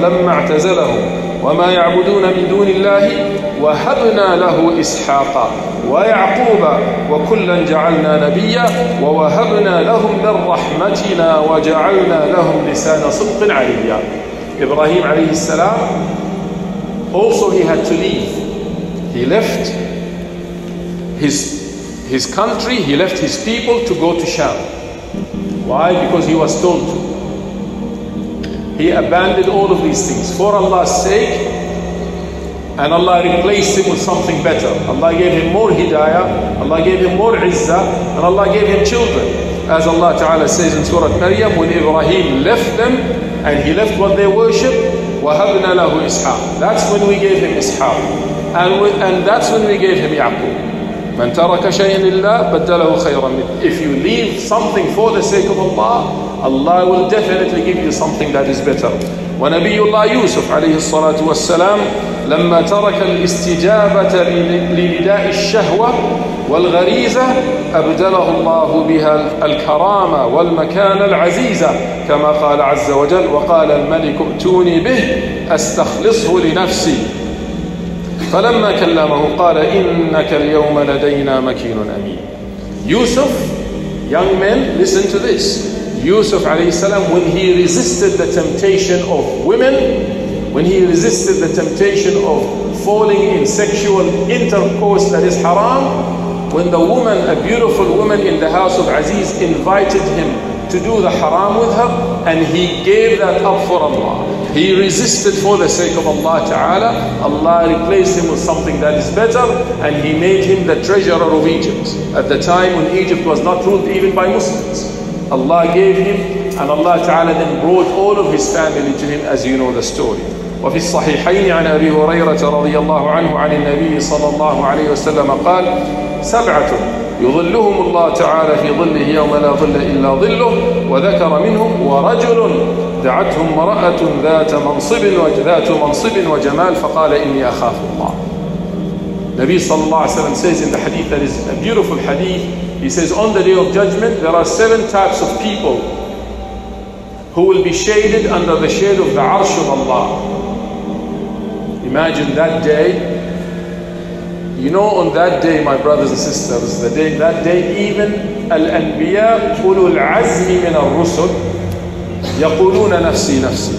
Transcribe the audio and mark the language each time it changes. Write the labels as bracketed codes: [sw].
[ar] اعتزلهم وما يعبدون من دون الله وهبنا له إسحاق ويعقوب وكلا جعلنا نبيا ووهبنا لهم من رحمتنا وجعلنا لهم لسان صدق عليا. [en] Ibrahim alayhi salam, also he had to leave. He left his country, he left his people to go to Sham. Why? Because he was told to. He abandoned all of these things for Allah's sake, and Allah replaced him with something better. Allah gave him more hidayah, Allah gave him more izzah, and Allah gave him children. As Allah Ta'ala says in Surah Maryam, when Ibrahim left them, and he left what they worship, [ar] وَهَبْنَا لَهُ إِسْحَاقٍ. [en] That's when we gave him Ishaq. And that's when we gave him Ya'qub. [ar] مَنْ تَرَكَ شَيْءٍ لِلَّهِ بَدَّلَهُ خَيْرًا مِنْ. [en] If you leave something for the sake of Allah, Allah will definitely give you something that is better. [ar] ونبي الله يوسف عليه الصلاة والسلام لما ترك الاستجابة لنداء الشهوة والغريزة أبدله الله بها الكرامة والمكان العزيزة كما قال عز وجل وقال الملك ائتوني به أستخلصه لنفسي فلما كلمه قال إنك اليوم لدينا مكين أمين. [en] يوسف, young men, listen to this. Yusuf alayhi salam, when he resisted the temptation of women, when he resisted the temptation of falling in sexual intercourse that is haram, when the woman, a beautiful woman in the house of Aziz, invited him to do the haram with her, and he gave that up for Allah. He resisted for the sake of Allah Ta'ala. Allah replaced him with something that is better, and he made him the treasurer of Egypt at the time when Egypt was not ruled even by Muslims. Allah gave him, and Allah Ta'ala then brought all of his family to him, as you know the story. [ar] وفي الصحيحين عن أبي هريرة رضي الله عنه عن النبي صلى الله عليه وسلم قال سبعة يظلهم الله تعالى في ظله يوم لا ظل إلا ظله وذكر منهم ورجل دعتهم امرأة ذات منصب وجمال فقال إني أخاف الله. النبي صلى الله عليه وسلم [en] says in the hadith, that is a beautiful hadith, he says, on the day of judgment, there are seven types of people who will be shaded under the shade of the arsh of Allah. Imagine that day. You know, on that day, my brothers and sisters, that day, even al-anbiya, [ar] ulul azmi min al-rusul, yaquluna nafsi nafsi.